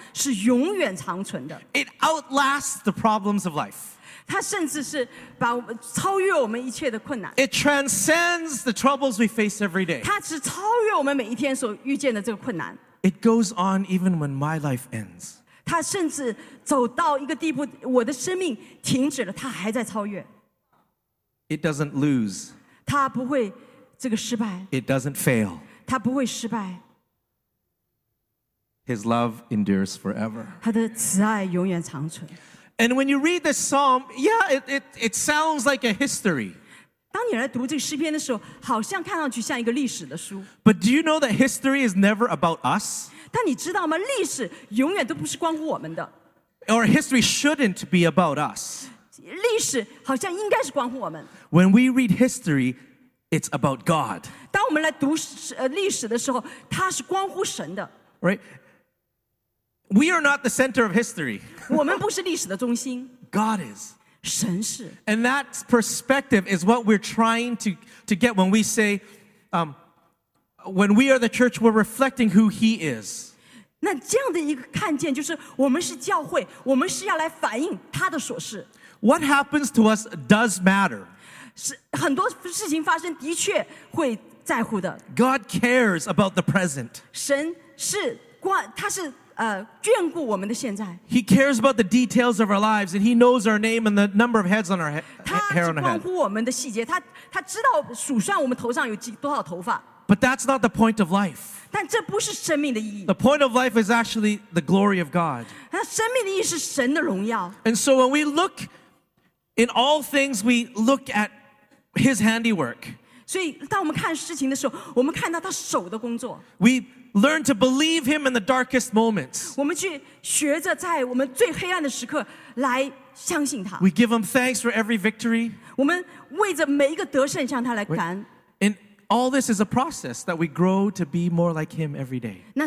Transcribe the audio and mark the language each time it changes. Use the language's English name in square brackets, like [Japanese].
[English] It outlasts the problems of life. It transcends the troubles we face every day. It goes on even when my life ends. [Chinese] 它甚至走到一个地步, 我的生命停止了, 它还在超越。 [English] It doesn't lose. [Chinese] 它不会这个失败。 [English] It doesn't fail. [Chinese] 它不会失败。 [English] His love endures forever. [Chinese] 它的慈爱永远长存。 [English] And when you read this psalm, yeah, it sounds like a history. [Chinese] 当你来读这个诗篇的时候, 好像看上去像一个历史的书。 [English] But do you know that history is never about us? [Chinese] 但你知道吗? 历史永远都不是关乎我们的。 [English] Or history shouldn't be about us. [Chinese] 历史好像应该是关乎我们。 [English] When we read history, it's about God. [Chinese] 当我们来读, 历史的时候, 它是关乎神的。 [English] Right? We are not the center of history. [Chinese] 我们不是历史的中心。 [English] God is. [Chinese] 神是。 [English] And that perspective is what we're trying to get when we say, when we are the church, we're reflecting who He is. [Chinese] 那这样的一个看见就是我们是教会, 我们是要来反映他的所事。 [English] What happens to us does matter. [Chinese] 很多事情发生的确会在乎的。 [English] God cares about the present. [Chinese] 神是关,他是, [English] He cares about the details of our lives, and He knows our name and the number of heads on our hair on our head. [Chinese] 他关乎我们的细节, 他知道数算我们头上有多少头发。 [English] But that's not the point of life. [Chinese] 但这不是生命的意义。 [English] The point of life is actually the glory of God. [Chinese] 生命的意义是神的荣耀。 [English] And so when we look in all things, we look at His handiwork. [Chinese] 所以当我们看事情的时候, 我们看到他手的工作。 [English] We learn to believe Him in the darkest moments. We give Him thanks for every victory. Wait. And all this is a process that we grow to be more like Him every day.